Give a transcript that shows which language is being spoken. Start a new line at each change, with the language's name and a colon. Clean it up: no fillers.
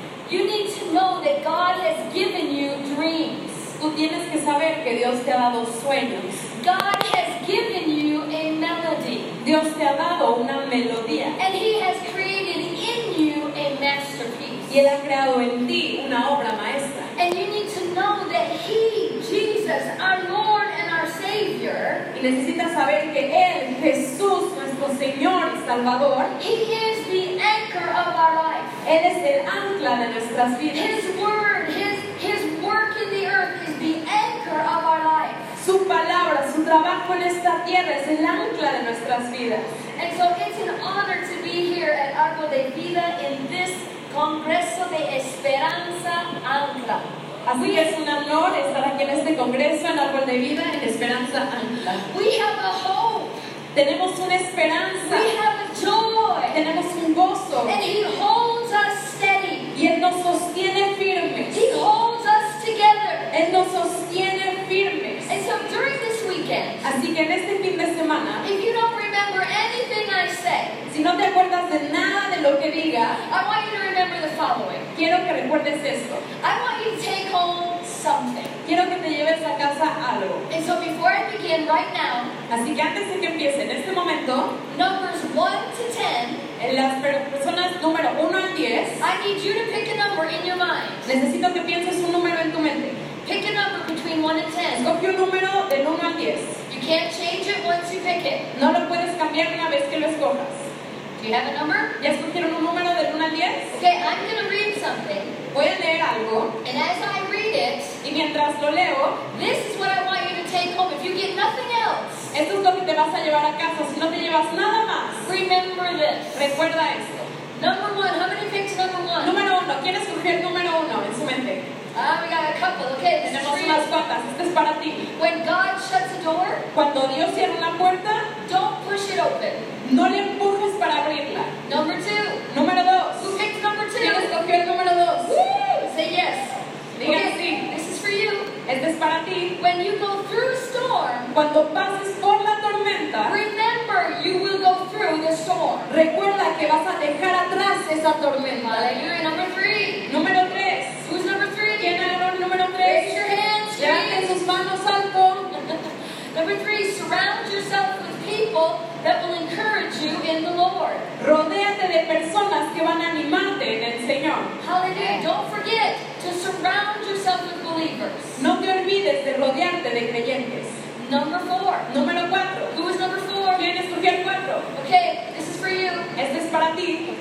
English: You need to know that God has given you dreams.
Spanish: Tú tienes que saber que Dios te ha dado sueños.
English: God has given you a melody.
Spanish: Dios te ha dado una melodía.
English: And He has created in you a masterpiece.
Spanish: Y Él ha creado en ti una obra maestra.
English: And you need to know that He, Jesus, our Lord and our Savior.
Spanish: Y necesitas saber que Él, Jesús, nuestro Señor y Salvador.
English: He is the anchor of our life.
Spanish: Él es el ancla de nuestras vidas.
English: His word, his work in the earth is the anchor of our life.
Spanish: Su palabra, su trabajo en esta tierra es el ancla de nuestras vidas.
English: And so it's an honor to be here at Arco de Vida in this Congreso de Esperanza Ancla.
Spanish: Así que es un honor estar aquí en este Congreso en Arco de Vida en Esperanza Ancla.
English: We have a hope.
Spanish: Tenemos una esperanza.
English: We have a joy.
Spanish: Tenemos un gozo.
English: And He holds us steady.
Spanish: Y Él nos sostiene firmes.
English: He holds us together.
Spanish: Él nos sostiene firmes.
English: And so during this weekend,
Spanish: así que en este fin de semana,
English: if you don't remember anything I say,
Spanish: si no te acuerdas de nada de lo que diga,
English: I want you to remember the following.
Spanish: Quiero que recuerdes esto.
English: I want you to take home something.
Spanish: Quiero que te lleves a casa algo.
English: And so before I begin right now,
Spanish: así que antes de que empiece en este momento,
English: numbers 1 to 10,
Spanish: en las personas número 1 al 10,
English: I need you to pick a number in your mind.
Spanish: Necesito que pienses un número en tu mente.
English: Pick a number between 1 and 10.
Spanish: Escoge un número del 1 al 10.
English: You can't change it once you pick it.
Spanish: No lo puedes cambiar una vez que lo escojas.
English: Do you have a number?
Spanish: ¿Ya escogieron un número del 1 al 10?
English: Okay, I'm going to read something.
Spanish: Voy a leer algo.
English: And as I read it,
Spanish: y mientras lo leo,
English: this is what I want you to take home if you get nothing else.
Spanish: Esto es lo que te vas a llevar a casa si no te llevas nada más.
English: Remember this.
Spanish: Recuerda esto.
English: Number 1, how many picks number 1?
Spanish: Número 1, ¿quién escogió el número 1 en su mente?
English: Ah, we got a couple. Okay, this
Spanish: tenemos
English: is
Spanish: unas cuantas. Este es para ti.
English: When God shuts a door,
Spanish: cuando Dios cierra una puerta,
English: don't push it open.
Spanish: No le empujes para abrirla.
English: Number 2.
Spanish: Número 2.
English: Who picked number 2?
Spanish: ¿Quién escogió el número 2?
English: Say yes.
Spanish: Diga okay, sí.
English: This is for you.
Spanish: Este es para ti.
English: When you go through storm,
Spanish: cuando pases por la tormenta,
English: remember you will go through the storm.
Spanish: Recuerda que vas a dejar atrás esa tormenta.
English: Hallelujah. Number 3.
Spanish: Número 3.
English: Who's number 3?
Spanish: ¿Quién es el número 3?
English: Raise your hands.
Spanish: Levanten sus manos alto.
English: Number 3. Surround yourself with people that will encourage you in the Lord.
Spanish: Rodéate de personas que van a animarte en el Señor.
English: Hallelujah. Don't forget to surround yourself with believers.
Spanish: No te olvides de rodearte de creyentes.
English: Number 4.
Spanish: Número 4.
English: Who is number 4?
Spanish: ¿Quién escogió el 4?
English: Okay, this is for you.
Spanish: Este es para ti.